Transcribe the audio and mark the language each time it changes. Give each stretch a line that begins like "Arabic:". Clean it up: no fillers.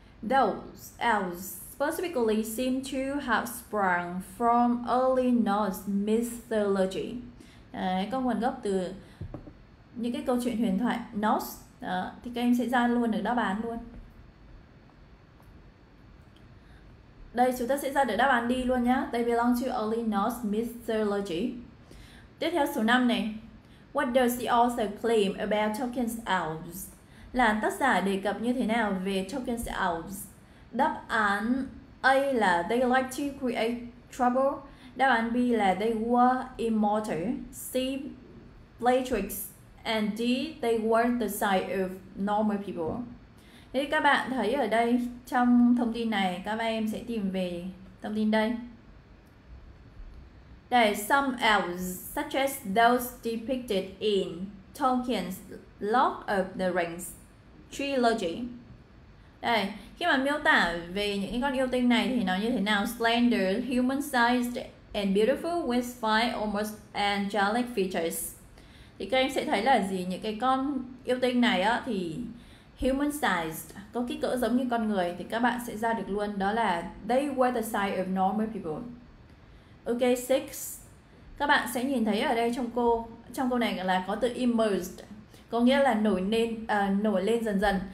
English: Those elves specifically seem to have sprung from early Norse mythology.
Vietnamese: Đấy, có nguồn gốc từ những cái câu chuyện huyền thoại Norse. Đó, thì các em sẽ ra luôn được đáp án luôn. Đây, chúng ta sẽ ra được đáp án đi luôn nhá.
English: They belong to early Norse mythology.
Vietnamese: Tiếp theo số 5 này.
English: What does the author claim about Tolkien's elves?
Vietnamese: Là tác giả đề cập như thế nào về Tolkien's elves? Đáp án A là
English: they like to create trouble.
Vietnamese: Đáp án B là
English: they were immortal.
Vietnamese: C, Bellatrix.
English: And D, they weren't the size of normal people.
Vietnamese: Thế các bạn thấy ở đây trong thông tin này, các bạn em sẽ tìm về thông tin đây.
English: Đây, some elves, such as those depicted in Tolkien's Lord of the Rings trilogy.
Vietnamese: Đây, khi mà miêu tả về những con yêu tinh này thì nó như thế nào?
English: Slender, human-sized and beautiful with fine, almost angelic features.
Vietnamese: Thì các em sẽ thấy là gì? Những cái con yêu tinh này á, thì human-sized, có kích cỡ giống như con người, thì các bạn sẽ ra được luôn, đó là
English: they were the size of normal people.
Vietnamese: Ok, 6. Các bạn sẽ nhìn thấy ở đây trong câu này là có từ immersed, có nghĩa là nổi lên dần dần.